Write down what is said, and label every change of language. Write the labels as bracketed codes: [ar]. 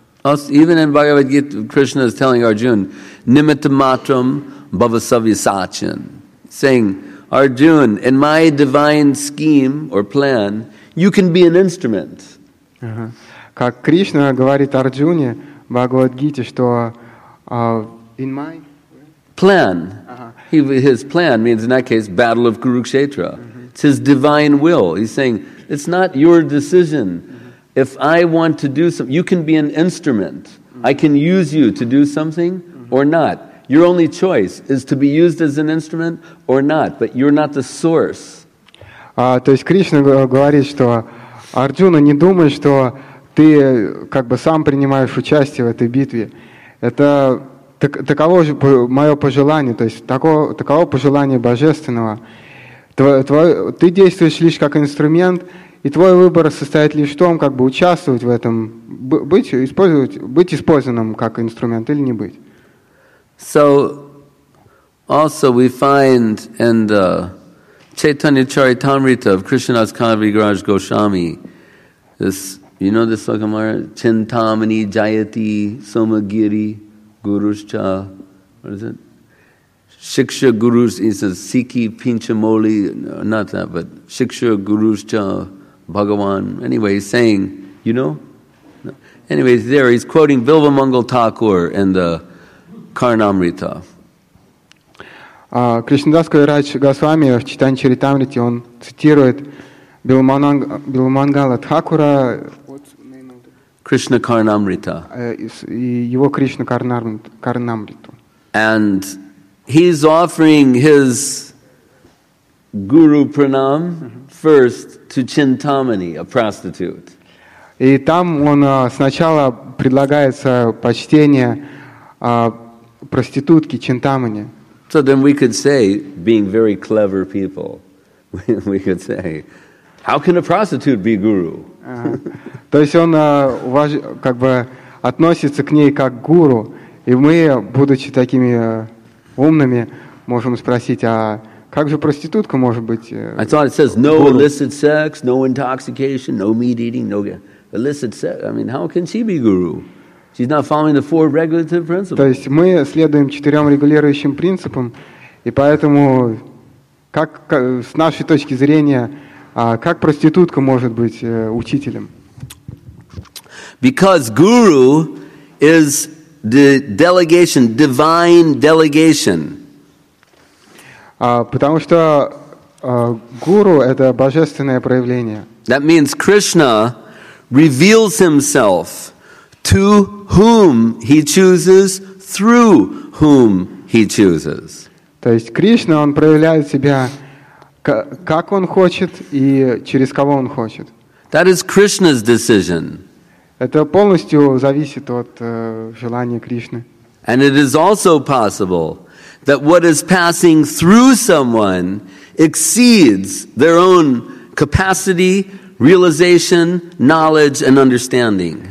[en] Even in Bhagavad Gita, Krishna is telling Arjuna, [sa] nimittamatram bhavasavyasachin, [en] saying, Arjuna, in my divine scheme or plan, you can be an instrument. [ru] Как Кришна говорит Арджуне в Бхагавад-гите, что [en] in my plan, his plan means in that case battle of Kurukshetra. It's his divine will. He's saying it's not your decision. If I want to do something, you can be an instrument. I can use you to do something or not. Your only choice is to be used as an instrument or not, but you're not the source. [ru] То есть Кришна говорит, что Арджуна, не думай, что ты как бы сам принимаешь участие в этой битве. Это таково же мое пожелание, то есть таково пожелание божественного. Ты действуешь лишь как инструмент, и твой выбор состоит лишь в том, как бы участвовать в этом, быть использованным как инструмент или не быть. [en] So, also we find in the Chaitanya Charitamrita of Krishnadas Kaviraj Goswami, this, you know this Sakamara? [sa] Chintamani Jayati Somagiri Guruscha, [en] what is it? Shiksha Gurus, he says, Siki Pinchamoli, not that, but [sa] Shiksha Guruscha Bhagavan. [en] Anyway, he's saying, you know? Anyways, there, he's quoting Vilva Mangal Thakur in the Карнамрита. [ru] Кришнадас Кавирадж Госвами в Чайтанья Чаритамрите он цитирует Билмангала Тхакура. Кришна Карнамрита. Его Кришна Карнамриту. [en] And he's offering his guru pranam first to Chintamani, a prostitute. [ru] И там он сначала предлагается почтение проститутки Чинтамани. [en] So then we could say, being very clever people, we could say, how can a prostitute be guru? [ru] То есть он как бы относится к ней как гуру, и мы, будучи такими умными, можем спросить, а как же проститутка может быть? [en] I thought it says no illicit sex, no intoxication, no meat eating, no illicit sex. I mean, how can she be guru? She's not following the four regulative principles. [ru] То есть мы следуем четырем регулирующим принципам, и поэтому, как с нашей точки зрения, как проститутка может быть учителем? [en] Because guru is the delegation, divine delegation. [ru] Потому что гуру — это божественное проявление. [en] That means Krishna reveals himself to whom he chooses, through whom he chooses. [ru] То есть Кришна, он проявляет себя как он хочет и через кого он хочет. [en] That is Krishna's decision. [ru] Это полностью зависит от желания Кришны. [en] And it is also possible that what is passing through someone exceeds their own capacity, realization, knowledge, and understanding.